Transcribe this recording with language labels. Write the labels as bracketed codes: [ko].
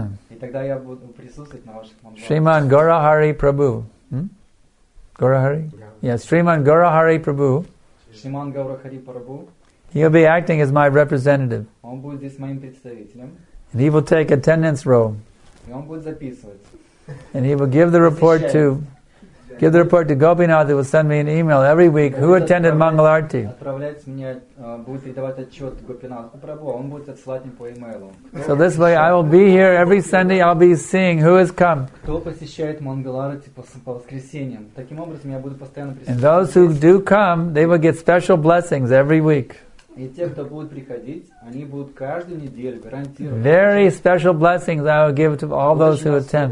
[ru] И тогда я буду присутствовать на ваших Mangal [en] Arati. Shriman Gaurahari Prabhu. Gaurahari? Yeah, Sriman Gaurahari Prabhu. Sriman Gaurahari Prabhu. He'll be acting as my representative. [ru] Он будет здесь моим представителем. [en] And he will take attendance roll. [ru] И он будет записывать. [en] And he will give the report to Gopinath, who will send me an email every week, who attended Mangal Arati. [ru] Отправлять мне будет передавать отчет Гопинатху Прабху, он будет отсылать мне по e-mailу. [en] So this way I will be here every Sunday, I'll be seeing who has come. [ru] Кто посещает Mangal Arati по воскресеньям. Таким образом я буду постоянно присутствовать. [en] And those who do come, they will get special blessings every week. [ru] И те, кто будут приходить, они будут каждую неделю гарантированно. [en] Very special blessings I will give to all those who attend.